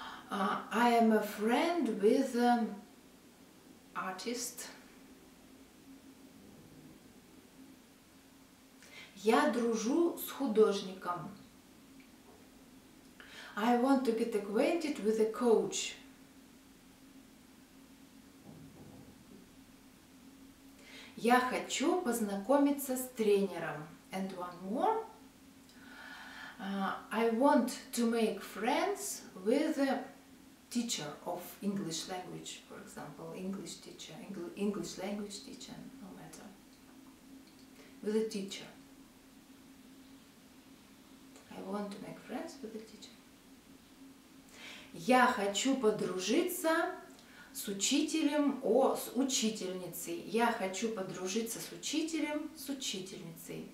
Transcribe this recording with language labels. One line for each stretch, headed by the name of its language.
English: I am a friend with an artist.
Russian: Я дружу с художником.
English: I want to get acquainted with a coach.
Russian: Я хочу познакомиться с тренером.
English: And one more. I want to make friends with a teacher of English language, for example, English teacher, English language teacher, no matter. With a teacher. I want to make friends with the teacher.
Russian: Я хочу подружиться с учителем, о, с учительницей. Я хочу подружиться с учителем, с учительницей.